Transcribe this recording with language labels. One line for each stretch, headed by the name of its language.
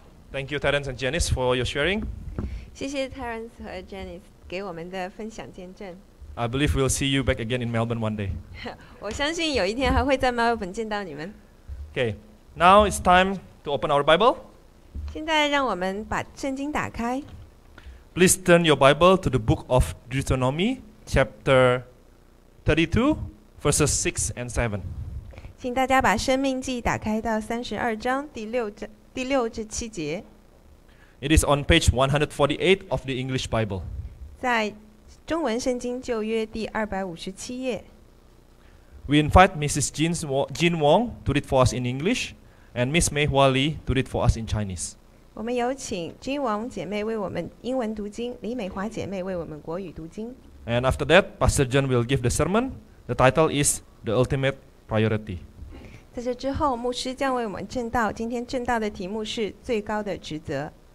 English: Thank you, Terence and Janice, for your sharing.
Chinese: 谢谢 Terence 和 Janice 给我们的分享见证。
English: I believe we'll see you back again in Melbourne one day.
Chinese: 我相信有一天还会在 Melbourne 见到你们。
English: Okay, now it's time to open our Bible.
Chinese: 现在让我们把圣经打开。
English: Please turn your Bible to the book of Deuteronomy, chapter 32, verses 6 and 7.
Chinese: 请大家把生命记打开到32章第六至七节。
English: It is on page 148 of the English Bible.
Chinese: 在中文圣经旧约第257页。
English: We invite Mrs. Jean Wong to read for us in English, and Miss Mei Hua Lee to read for us in Chinese.
Chinese: 我们有请 Jean Wong 姐妹为我们英文读经，李美华姐妹为我们国语读经。
English: And after that, Pastor John will give the sermon. The title is The Ultimate Priority.
Chinese: 在这之后，牧师将为我们证道。今天证道的题目是最高的职责。